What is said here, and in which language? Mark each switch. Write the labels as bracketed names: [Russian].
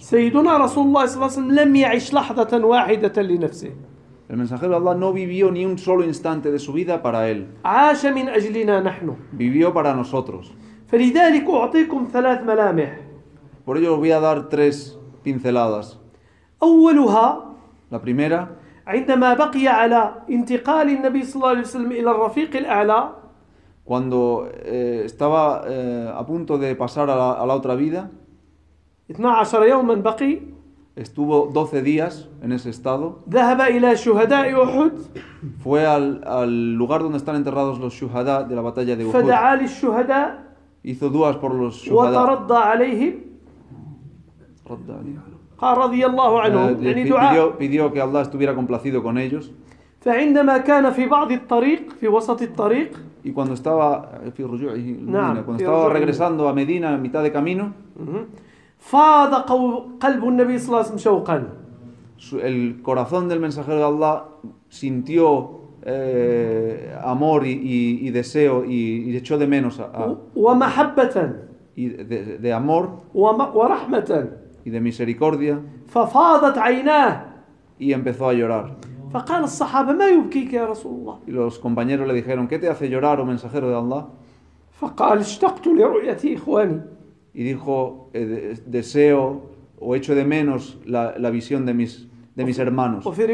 [Arabic] سيدنا رسول الله صلى الله عليه وسلم لم يعيش لحظة واحدة لنفسه. [Spanish] El mensajero de Allah no vivió ni un solo instante de su vida para él. [Arabic] عاش من أجلنا نحن. [Spanish] Vivió para nosotros. [Arabic] فلذلك أعطيكم ثلاث ملامح. [Spanish] Por ello os voy a dar tres pinceladas. [Arabic] أولها. [Spanish] La primera. [Arabic] عندما بقي على انتقال النبي صلى الله عليه وسلم إلى الرفيق الأعلى. [Spanish] Cuando estaba a punto de pasar a la otra vida. [Arabic] 12 يوما بقي. [Spanish] Estuvo 12 días en ese estado. [Arabic] ذهب إلى شهداء أحد. [Spanish] Fue al lugar donde están enterrados los shuhada de la batalla de Uhud. [Arabic] فدعا للشهداء. [Spanish] Hizo duas por los shuhada. [Arabic] وترضى عليهم. رضى عليهم. قال رضي الله عنهم. يعني دعاء. [Spanish] Pidió que Allah estuviera complacido con ellos. [Arabic] فعندما كان في بعض الطريق في وسط الطريق. [Spanish] Y cuando estaba [Arabic] في رجوعه المدينة. [Spanish] Cuando estaba regresando a Medina a mitad de camino. [Arabic] فاض قلب النبي صلى الله عليه وسلم شوقا. [Spanish] El corazón del mensajero de Allah sintió amor y deseo y echó de menos a [Arabic] ومحبة [Spanish] de amor [Arabic] ورحمة [Spanish] y de misericordia. [Arabic] ففاضت عيناه [Spanish] y empezó a llorar. [Arabic] فقال الصحابة ما يبكيك يا رسول الله. [Spanish] Y los compañeros le dijeron ¿qué te hace llorar, oh mensajero de Allah? [Arabic] فقال اشتقت لرؤيتي إخواني. [Spanish] Y dijo, deseo o echo de menos la visión de mis hermanos.